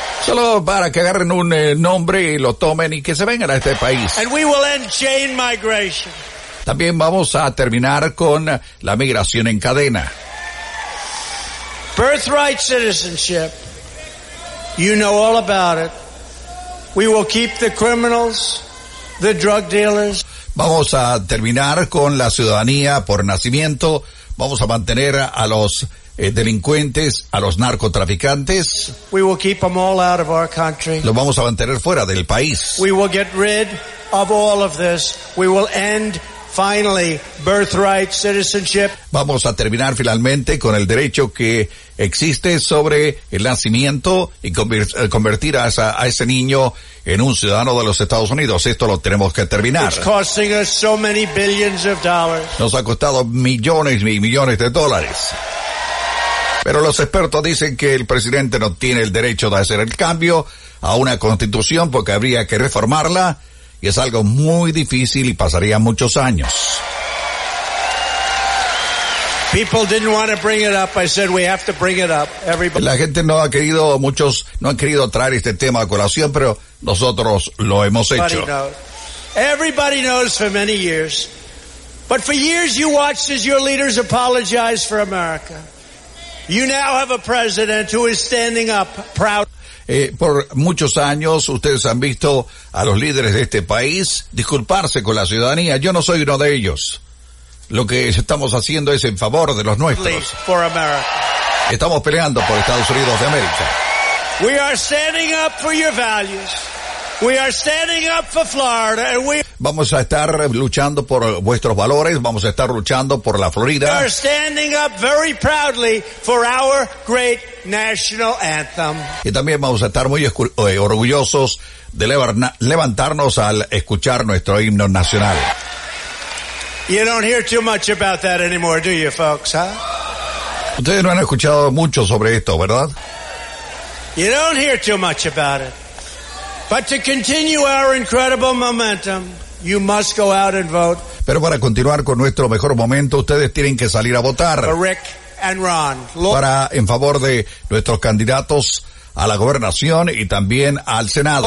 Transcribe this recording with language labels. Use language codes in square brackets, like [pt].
[es] Solo para que agarren un nombre y lo tomen y que se vengan a este país. [en] And we will end chain migration. [es] También vamos a terminar con la migración en cadena. [en] Birthright citizenship, you know all about it. We will keep the criminals, the drug dealers. [es] Vamos a terminar con la ciudadanía por nacimiento. Vamos a mantener a los delincuentes, a los narcotraficantes. [en] We will keep them all out of our country. [es] Los vamos a mantener fuera del país. [en] We will get rid of all of this. We will end finally birthright citizenship. [es] Vamos a terminar finalmente con el derecho que existe sobre el nacimiento y convertir a ese niño en un ciudadano de los Estados Unidos. Esto lo tenemos que terminar. [en] It's costing us so many billions of dollars. [es] Nos ha costado millones y millones de dólares. Pero los expertos dicen que el presidente no tiene el derecho de hacer el cambio a una constitución porque habría que reformarla y es algo muy difícil y pasaría muchos años. [en] People didn't want to bring it up. I said we have to bring it up. Everybody. [es] La gente no ha querido, muchos no han querido traer este tema a colación, pero nosotros lo hemos hecho. [en] Everybody knows for many years. But for years you watched as your leaders apologized for America. You now have a president who is standing up proud. [es] Por muchos años ustedes han visto a los líderes de este país disculparse con la ciudadanía. Yo no soy uno de ellos. Lo que estamos haciendo es en favor de los nuestros. [en] For America. [es] Estamos peleando por Estados Unidos de América. [en] We are standing up for your values. We are standing up for Florida and we. [es] Vamos a estar luchando por vuestros valores, vamos a estar luchando por la Florida. [en] We are standing up very proudly for our great national anthem. [es] Y también vamos a estar muy orgullosos de levantarnos al escuchar nuestro himno nacional. [en] You don't hear too much about that anymore, do you, folks, huh? [es] Ustedes no han escuchado mucho sobre esto, ¿verdad? [en] You don't hear too much about it. But to continue our incredible momentum, you must go out and vote. [es] Pero para continuar con nuestro mejor momento, ustedes tienen que salir a votar. [en] For Rick and Ron. [es] Para en favor de nuestros candidatos a la gobernación y también al Senado.